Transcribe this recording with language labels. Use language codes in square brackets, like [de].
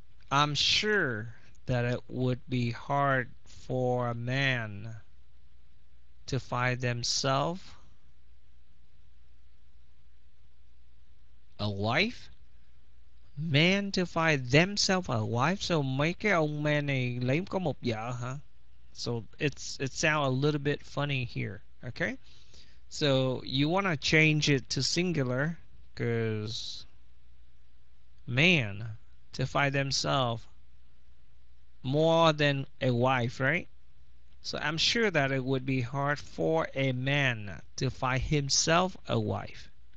[en] I'm sure that it would be hard for a man to find themselves a wife. Man to find themselves a wife. [vi] So mấy cái ông man này lấy có một vợ hả? [en] So it sound a little bit funny here. Okay. So you want to change it to singular because man to find themselves more than a wife, right? So I'm sure that it would be hard for a man to find himself a wife.